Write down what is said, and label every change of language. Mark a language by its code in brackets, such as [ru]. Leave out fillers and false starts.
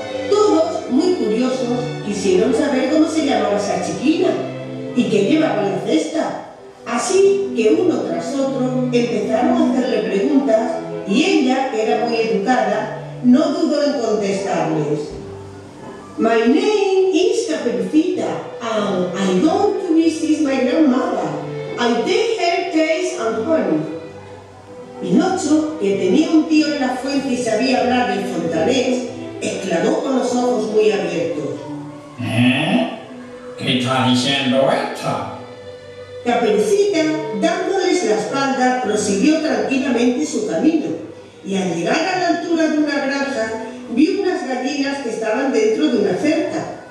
[es] Todos, muy curiosos, quisieron saber cómo se llamaba esa chiquina y qué llevaba la cesta. Así que uno tras otro empezaron a hacerle preguntas y ella, que era muy educada, no dudó en contestarles. [en] My name is Caperucita, and I want to visit my grandmother. I take her cheese and honey. [es] Pinocho, que tenía un tío en la fuente y sabía hablar en fontanés, exclamó con los ojos muy abiertos. ¿Eh? ¿Qué está diciendo esta? Caperucita, dándoles la espalda, prosiguió tranquilamente su camino y al llegar a la altura de una granja, vio unas gallinas que estaban dentro de una cerca.